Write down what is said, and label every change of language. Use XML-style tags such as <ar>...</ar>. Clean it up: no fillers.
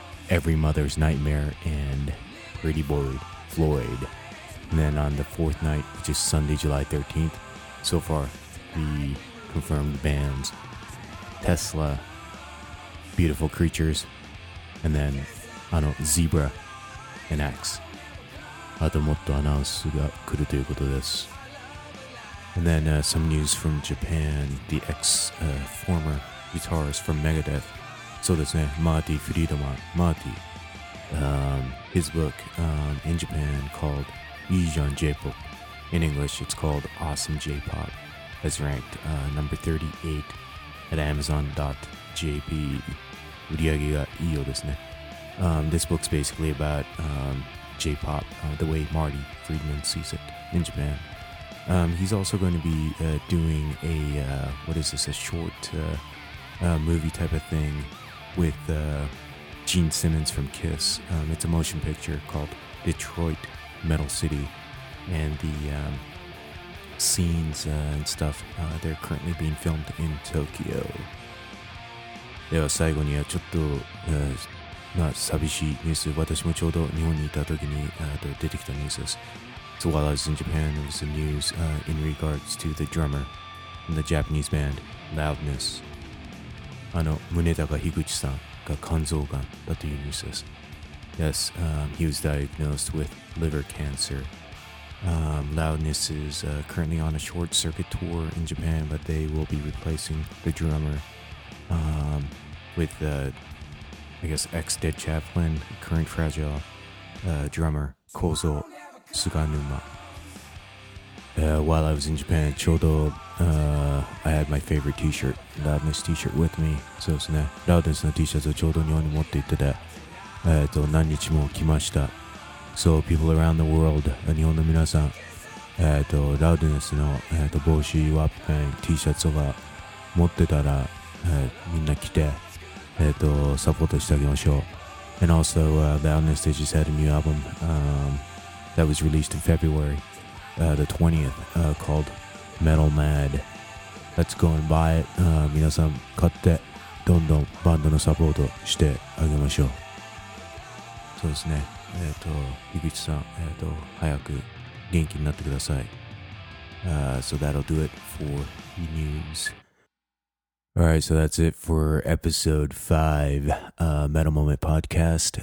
<en>Every Mother's Nightmare And Pretty Boy FloydAnd then on the fourth night, which is Sunday, July 13th, so far, the confirmed bands, Tesla, Beautiful Creatures, and then, Zebra, and Axe.</en> <ja>あともっとアナウンスが来るということです。</ja> <en>And then some news from Japan, the ex-former guitarist from Megadeth.</en> <ja>そうですね、マーティ・フリードマン、マーティ。</ja> <en>His book in Japan called... Yijan J-pop. In English, it's called Awesome J-pop. It's ranked number 38 at Amazon.jp.</en> <ja>売り上げがいいようですね。</ja> <en>This book's basically about J-pop, the way Marty Friedman sees it in Japan. He's also going to be doing a, what is this, a short movie type of thing with Gene Simmons from Kiss. It's a motion picture called Detroit. Metal City and the scenes and stuff they're currently being filmed in Tokyo.</en> <ja>では最後にはちょっと、まあ、寂しいニュース私もちょうど日本にいた時に出てきたニュースです。</ja> <en>So while I was in Japan, there was some news in regards to the drummer in the Japanese band Loudness.</en> <ja>あの宗高樋口さんが肝臓がんだというニュースです。</ja> <en>Yes, he was diagnosed with liver cancer. Loudness is currently on a short circuit tour in Japan, but they will be replacing the drummer with, I guess, ex-Dead Chaplain, current Fragile drummer, Kozo Suganuma. While I was in Japan,</en> <ja>ちょうど</ja> <en>I had my favorite t-shirt, Loudness t-shirt with me.</en> <ja>そうですね。 Loudness の T-shirt をちょうど日本に持っていってた。何日も来ました。</ja> <en>So, people around the world,</en> <ja>日本の皆さん、ラウディネスの、帽子、ワッペン、T シャツを持ってたら、みんな来て、サポートしてあげましょう。</ja> <en>And also, Loudness, they just had a new album, that was released in February, the 20th, called Metal Mad. Let's go and buy it.</en> <ja>皆さん買って、どんどんバンドのサポートしてあげましょう。そうですね、樋口さん、早く元気になってください。</ja> <en>So that'll do it for the news. Alright, so that's it for episode 5 Metal Moment Podcast.</en>